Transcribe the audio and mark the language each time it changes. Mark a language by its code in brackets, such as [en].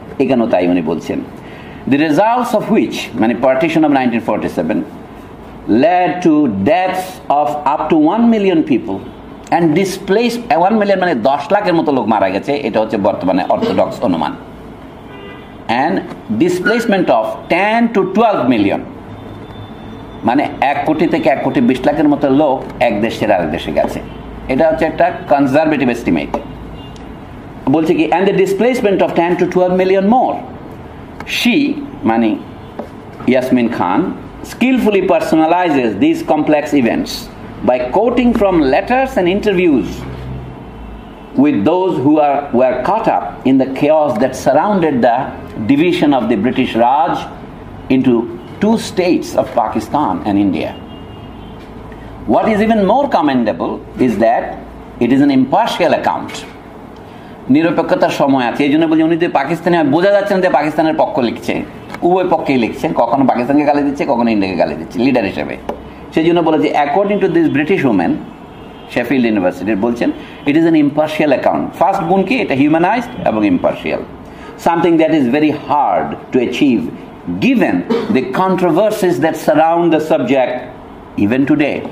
[bn] এখানেও তাই উনি বলছেন, [en] the results of which, [bn] মানে partition of 1947, [en] led to deaths of up to 1 million [bn] people and displaced 1 million মানে 10 লাখের মতো লোক মারা গেছে, এটা হচ্ছে বর্তমানে অর্থোডক্স অনুমান, [en] and displacement of 10 to 12 million [bn] মানে 1 কোটি থেকে 1 কোটি 20 লাখের মতো লোক এক দেশ থেকে আরেক দেশে গেছে, এটা হচ্ছে একটা কনজারভেটিভ এস্টিমেট। বলছে কি, [en] and the displacement of 10 to 12 million more, she মানে Yasmin Khan skillfully personalizes these complex events by quoting from letters and interviews with those who were caught up in the chaos that surrounded the division of the British Raj into two states of Pakistan and India. What is even more commendable is that it is an impartial account. [bn] নিরপেক্ষতার সময় আছে, এই জন্য বলছি উনি যে পাকিস্তানে বোঝা যাচ্ছে না যে পাকিস্তানের পক্ষ লিখছে, উভয় পক্ষেই লিখছেন, কখনো পাকিস্তানকে গালি দিচ্ছে, কখনো ইন্ডিয়াকে গালি দিচ্ছে লিডার হিসেবে। সেই জন্য বলে যে according to this British woman, Sheffield ইউনিভার্সিটির বলছেন, [en] It is an impartial account. [bn] First গুণ কি, এটা হিউম্যানাইজড এবং impartial, [en] Something that is very hard to achieve given the controversies that surround the subject even today.